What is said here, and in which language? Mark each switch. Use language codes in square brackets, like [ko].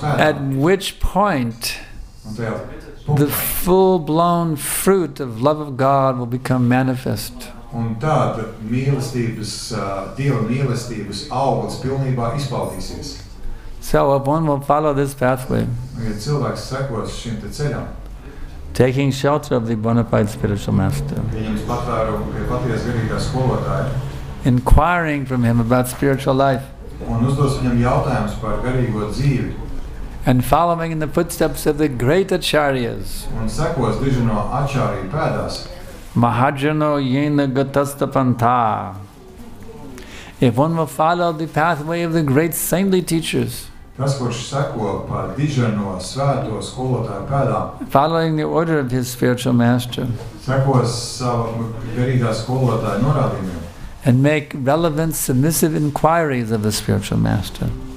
[en] At which point the full-blown fruit of love of God will become manifest. [lv] Un tad mīlestības, Dieva mīlestības augs pilnībā izpaudīsies. [en] So if one will follow this pathway, [lv] ja cilvēks sekos šim te ceļam, [en] taking shelter of the bona fide spiritual master, [lv] viņam patvērumu pie paties garīgā skolotāja, [en] inquiring from him about spiritual life, [lv] un uzdos viņam jautājumus par garīgo dzīvi, [en] and following in the footsteps of the great acharyas, [lv] un sekos dižino acharya pēdās, [sa] Mahajano yena gatasta pantā. [en] If one will follow the pathway of the great saintly teachers, [lv] tas, kurš seko pa dižano svēto skolotāju pēdām, [en] following the order of his spiritual master, [lv] sekos savu garīgā skolotāju norādījumiem, [en] and make relevant, submissive inquiries of the spiritual master.